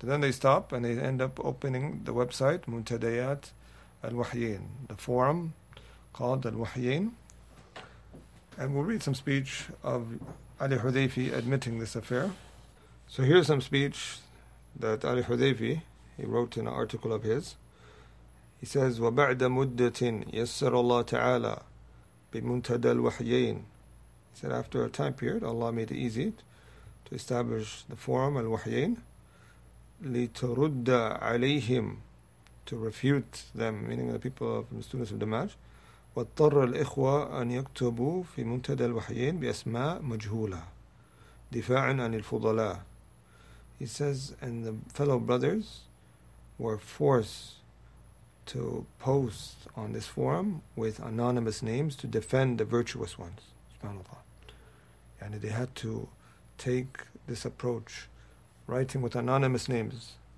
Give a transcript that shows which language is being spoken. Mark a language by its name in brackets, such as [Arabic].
[English] And then they stop and they end up opening the website, Muntadayat al-Wahyain, the forum called al-Wahyain. And we'll read some speech of Ali Hudhayfi admitting this affair. So here's some speech that Ali Hudhayfi, he wrote in an article of his. He says, [Arabic] وَبَعْدَ مُدَّةٍ يَسَّرَ اللَّهُ تَعَالَى بِمُنْتَدَى الْوَحْيَيْنِ. [English] He said, after a time period, Allah made it easy to establish the forum, al-Wahyain, [Arabic] لِتَرُدَّ عَلَيْهِمْ, [English] to refute them, meaning the people of the students of Dammaj. [Arabic] واضطر الإخوة أن يكتبوا في منتدى الوحيين بأسماء مجهولة دفاعا عن الفضلاء. [English] He says, and the fellow brothers were forced to post on this forum with anonymous names to defend the virtuous ones. SubhanAllah. And they had to take this approach, writing with anonymous names.